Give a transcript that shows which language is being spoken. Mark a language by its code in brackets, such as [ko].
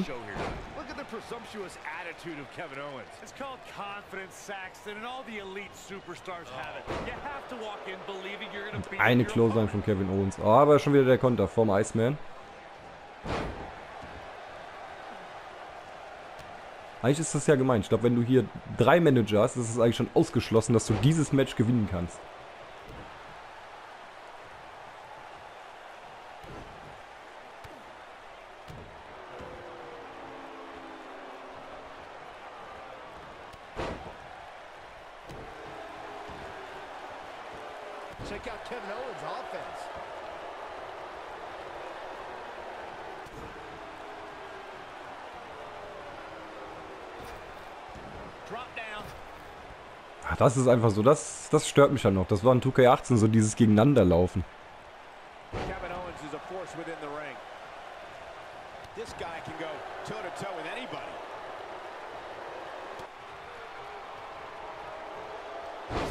[en] Look at the presumptuous attitude of Kevin Owens. It's called confidence, Saxton, and all the elite superstars have it. You have to walk in believing you're gonna beat. [de] Eine Clothesline von Kevin Owens. Oh, aber schon wieder der Konter vom Iceman. Eigentlich ist das ja gemein. Ich glaube, wenn du hier drei Manager hast, ist es eigentlich schon ausgeschlossen, dass du dieses Match gewinnen kannst. [en] Check out Kevin Owens' offense. [de] Ach, das ist einfach so, das stört mich dann noch. Das war in 2K18, so dieses Gegeneinanderlaufen. [en] Kevin Owens is a force within the ring. This guy can go toe-to-toe with anybody.